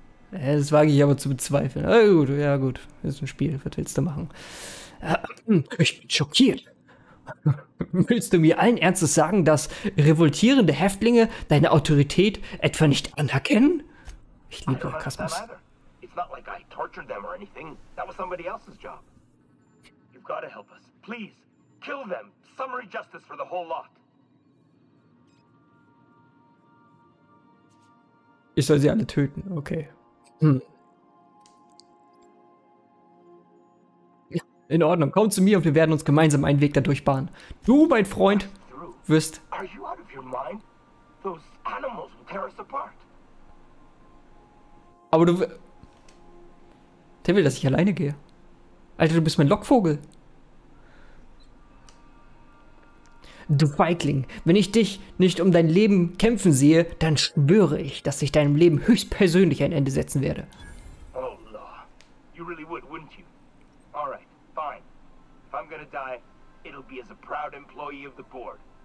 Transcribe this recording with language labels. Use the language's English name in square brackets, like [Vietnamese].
[German] Das wage ich aber zu bezweifeln. Aber gut, ja gut, ist ein Spiel, was willst du machen? Ich bin schockiert. Willst du mir allen Ernstes sagen, dass revoltierende Häftlinge deine Autorität etwa nicht anerkennen? Ich liebe Orgasmus. [English] It's not like I tortured them or anything. That was somebody else's job. You've got to help us. Please, kill them. Summary justice for the whole lot. [German] Ich soll sie alle töten, okay. In Ordnung, komm zu mir und wir werden uns gemeinsam einen Weg dadurch bahnen. Du, mein Freund, wirst... [English] Are you out of your mind? Those animals will tear us apart. [German] Aber du... Der will, dass ich alleine gehe. Alter, du bist mein Lockvogel. Du Feigling, wenn ich dich nicht um dein Leben kämpfen sehe, dann schwöre ich, dass ich deinem Leben höchstpersönlich ein Ende setzen werde. [English] Oh, Law. You really would, wouldn't you? All right, fine. If I'm gonna die, it'll be as a proud employee of the board.